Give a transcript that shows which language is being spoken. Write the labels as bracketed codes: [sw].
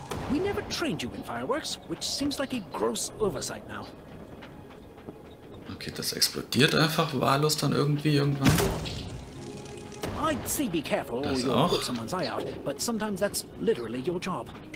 [en] We never trained you in fireworks, which seems like a gross oversight now. [de] Okay, das explodiert einfach wahllos dann irgendwie irgendwann. [en] I'd say be careful or you'll put someone's eye out, but sometimes that's literally your job.